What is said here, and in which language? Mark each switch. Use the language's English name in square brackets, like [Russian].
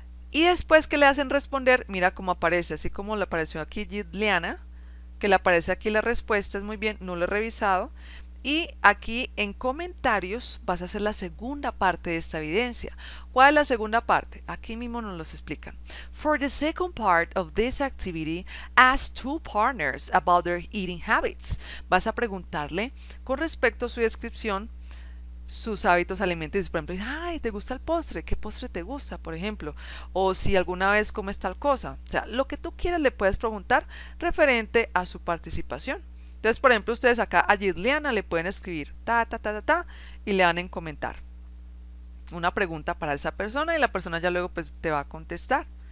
[Spanish] Y después que le hacen responder, mira cómo aparece, así como le apareció aquí Gidliana, que le aparece aquí la respuesta, es muy bien, no lo he revisado. Y aquí en comentarios vas a hacer la segunda parte de esta evidencia. ¿Cuál es la segunda parte? Aquí mismo nos los explican. [English] For the second part of this activity, ask two partners about their eating habits. [Spanish] Vas a preguntarle con respecto a su descripción sus hábitos alimenticios. Por ejemplo, ay, ¿te gusta el postre? ¿Qué postre te gusta, por ejemplo? O si alguna vez comes tal cosa. O sea, lo que tú quieras le puedes preguntar referente a su participación. Entonces, por ejemplo, ustedes acá a Gidliana le pueden escribir ta, ta, ta, ta, ta, y le van a comentar una pregunta para esa persona y la persona ya luego pues te va a contestar.